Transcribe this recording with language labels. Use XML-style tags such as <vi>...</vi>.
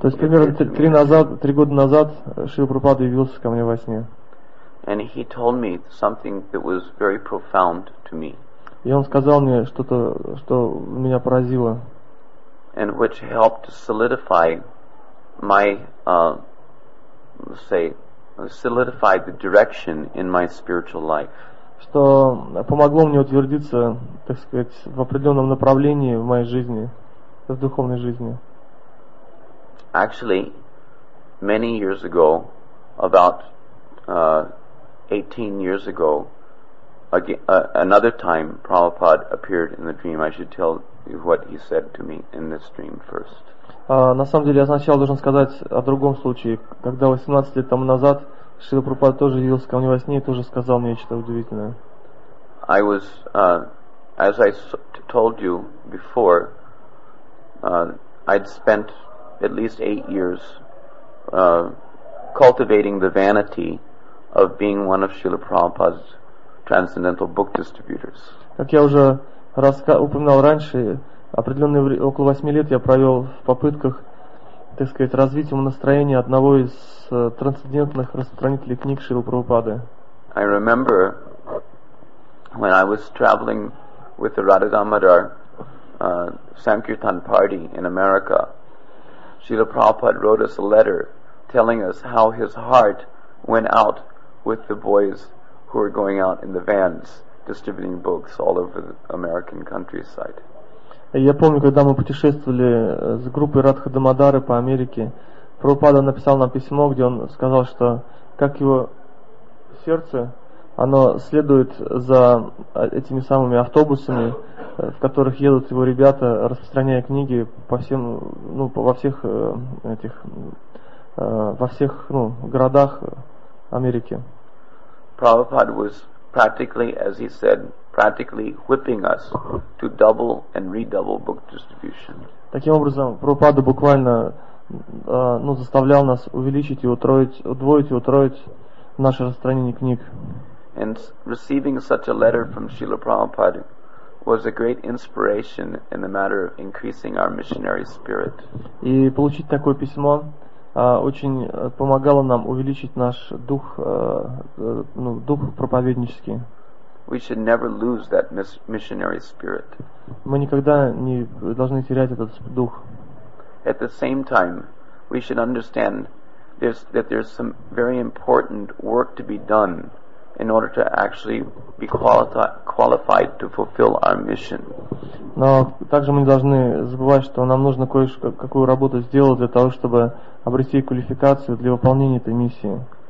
<ru>То есть примерно три года назад Шрила Прабхупада явился ко мне во сне.</ru> <en>And he told me something that was very profound to me.</en> <ru>И он сказал мне что-то, что меня поразило.</ru> <en>And which helped solidify my, solidify the direction in my spiritual life.</en> <ru>Что помогло мне утвердиться, так сказать, в определенном направлении в моей жизни. В духовной жизни.</ru> <en>Actually, many years ago, about 18 years ago, again, another time, Prabhupada appeared in the dream. I should tell you what he said to me in this dream first.</en> <ru>На самом деле, я сначала должен сказать о другом случае. Когда 18 лет тому назад, Шрила Прабхупада тоже явился ко мне во сне и тоже сказал мне что-то удивительное.</ru> <en>I was, as I told you before, I'd spent at least 8 years cultivating the vanity of being one of Srila Prabhupada's transcendental book distributors.</en> <ru>Как я уже упоминал раньше, определенные около 8 лет я провел в попытках, так сказать, развить умонастроение одного из трансцендентных распространителей книг Шрилы Прабхупады.</ru> <en>I remember when I was traveling with the Radha Damodar Sankirtan party in America. Srila Prabhupada wrote us a letter telling us how his heart went out with the boys who were going out in the vans distributing books all over the American countryside.</en> <ru>Я помню, когда мы путешествовали с группой Радха Дамодары по Америке, Прабхупада написал нам письмо, где он сказал, что как его сердце оно следует за этими самыми автобусами, в которых едут его ребята, распространяя книги по всем, ну, по, во всех этих во всех, ну, городах Америки.</ru> <en>Prabhupada was practically, as he said, practically whipping us to double and redouble book distribution.</en> <ru>Таким образом, Прабхупада буквально ну, заставлял нас увеличить и утроить, удвоить и утроить наше распространение книг.</ru> <en>And receiving such a letter from Srila Prabhupada was a great inspiration in the matter of increasing our missionary spirit.</en> <ru>И получить такое письмо очень помогало нам увеличить наш дух, ну, дух проповеднический.</ru> <en>We should never lose that missionary spirit.</en> <ru>Мы никогда не должны терять этот дух.</ru> <en>At the same time, we should understand that there's some very important work to be done in order to actually be qualified to fulfill our mission.</en> <ru>Но также мы не должны забывать, что нам нужно кое-какую работу сделать для того, чтобы обрести квалификацию для выполнения этой миссии.</ru>